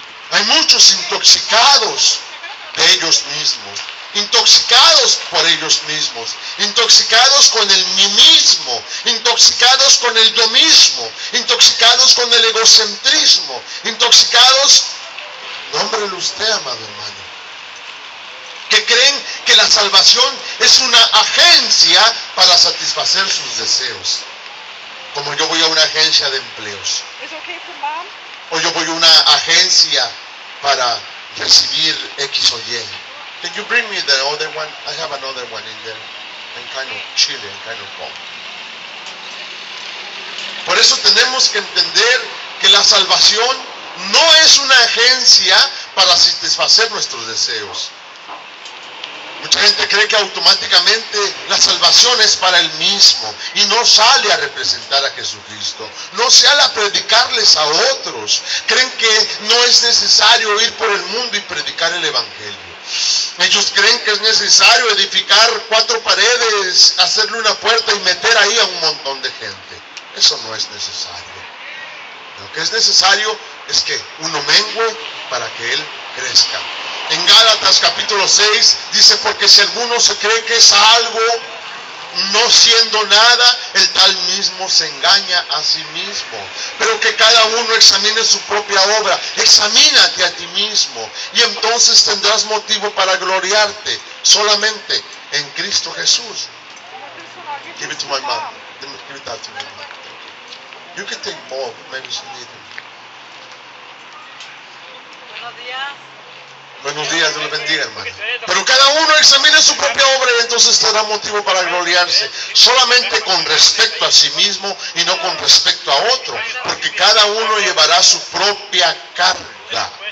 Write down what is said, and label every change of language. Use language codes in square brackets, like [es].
[es] Hay muchos intoxicados de ellos mismos, intoxicados por ellos mismos, intoxicados con el mí mismo, intoxicados con el yo mismo, intoxicados con el egocentrismo, intoxicados, nómbrelo usted, amado hermano, que creen que la salvación es una agencia para satisfacer sus deseos. Como yo voy a una agencia de empleos, o yo voy a una agencia para recibir X o Y. [en] Can you bring me the other one? I have another one in there. I'm kind of chilly, I'm kind of bomb. [es] Por eso tenemos que entender que la salvación no es una agencia para satisfacer nuestros deseos. Mucha gente cree que automáticamente la salvación es para él mismo y no sale a representar a Jesucristo, no sale a predicarles a otros. Creen que no es necesario ir por el mundo y predicar el Evangelio. Ellos creen que es necesario edificar cuatro paredes, hacerle una puerta y meter ahí a un montón de gente. Eso no es necesario. Lo que es necesario es que uno mengue para que él crezca. En Gálatas capítulo 6 dice: porque si alguno se cree que es algo, no siendo nada, el tal mismo se engaña a sí mismo. Pero que cada uno examine su propia obra, examínate a ti mismo, y entonces tendrás motivo para gloriarte solamente en Cristo Jesús. [en] Give it to my mom. Give it that to me. You can take more, but maybe she needs it. [es] Buenos días. Buenos días, Dios le bendiga, hermano. Pero cada uno examine su propia obra y entonces tendrá motivo para gloriarse solamente con respecto a sí mismo y no con respecto a otro, porque cada uno llevará su propia carga.